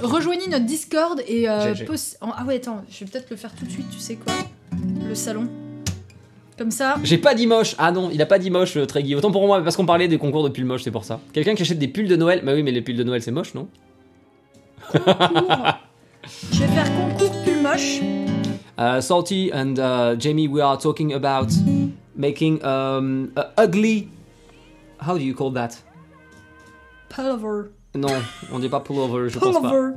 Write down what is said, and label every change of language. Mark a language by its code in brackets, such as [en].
[fr] Rejoignez notre Discord et... J'ai. Ah ouais, attends, je vais peut-être le faire tout de suite, tu sais quoi. Le salon. Comme ça. J'ai pas dit moche. Ah non, il a pas dit moche, Tréguy. Autant pour moi, parce qu'on parlait des concours de pulls moches, c'est pour ça. Quelqu'un qui achète des pulls de Noël. Bah oui, mais les pulls de Noël, c'est moche, non? Je vais faire concours pulls moches. [en] Salty and Jamie, we are talking about making a ugly. How do you call that? Pullover. [fr] Non, on dit pas pullover, je pense pas.